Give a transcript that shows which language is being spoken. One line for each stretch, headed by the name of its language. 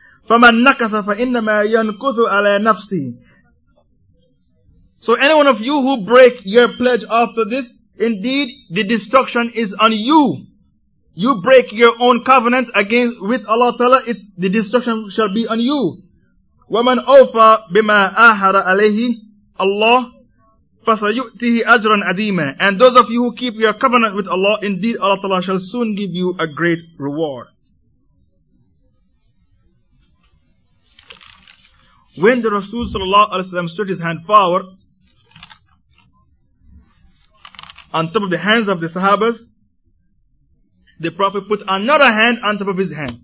Arabic: فَمَنْ نَكَثَ فَإِنَّمَا يَنْكُثُ عَلَى نَفْسِهِ.
English: So anyone of you who break your pledge after this, indeed the destruction is on you. You break your own covenant again with Allah Ta'ala, it's the destruction shall be on you.
Arabic: وَمَنْ أَوْفَى بِمَا أَحَرَ عَلَيْهِ Allah فَسَيُؤْتِهِ أَجْرًا عَدِيمًا.
English: And those of you who keep your covenant with Allah, indeed Allah Ta'ala shall soon give you a great reward. When the Rasul sallallahu alaihi wasallam stretched his hand forward on top of the hands of the Sahabas, the Prophet put another hand on top of his hand.